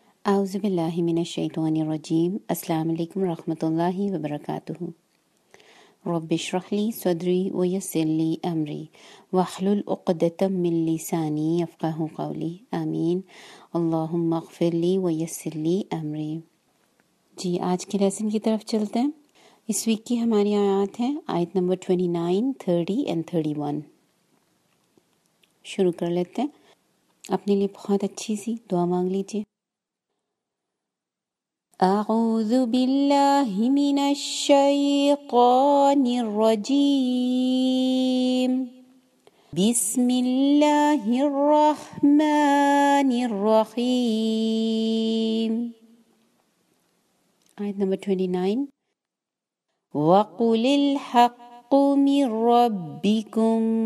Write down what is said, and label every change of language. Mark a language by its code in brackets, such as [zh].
[ar] أعوذ بالله من الشيطان الرجيم. السلام عليكم ورحمة الله وبركاته. رب اشرح لي صدري ويسر لي أمري واحلل عقدة من لساني يفقه قولي آمين. اللهم اغفر لي ويسر لي أمري. [ur] جی آج کے لیسن کی طرف چلتے ہیں. اس ویک کی ہماری آیات ہیں آیت نمبر 29, 30 and 31. شروع کر لیتے ہیں. اپنے لیے بہت اچھی سی دعا مانگ لیجیے. [ar] أعوذ بالله من الشيطان الرجيم بسم الله الرحمن الرحيم آية نمبر 29 وقل الحق من ربكم